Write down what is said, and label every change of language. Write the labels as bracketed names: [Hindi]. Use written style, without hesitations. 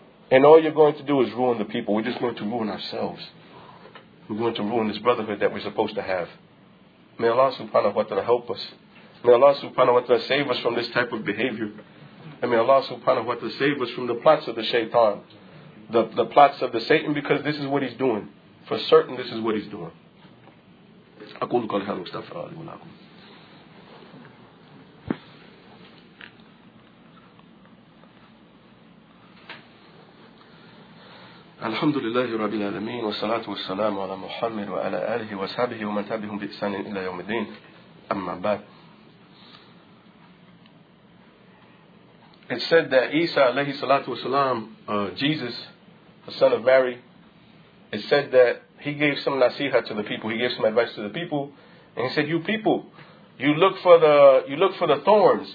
[English] And all you're going to do is ruin the people. We're just going to ruin ourselves. We're going to ruin this brotherhood that we're supposed to have. May Allah subhanahu wa ta'ala help us. May Allah subhanahu wa ta'ala save us from this type of behavior. And may Allah subhanahu wa ta'ala save us from the plots of the shaitan. The plots of the Satan, because this is what he's doing. For certain, this is what he's doing. [Arabic] أقول قول هذا واستغفر الله لي ولكم. الحمد لله رب العالمين والصلاة والسلام على محمد وعلى آله وصحبه ومن تبعهم بإحسان إلى يوم الدين. أما بعد. [English] It said that Isa [Arabic] عليه الصلاة والسلام, [English] Jesus, the son of Mary, it said that he gave some nasiha to the people. He gave some advice to the people. And he said, you people, you look for the thorns.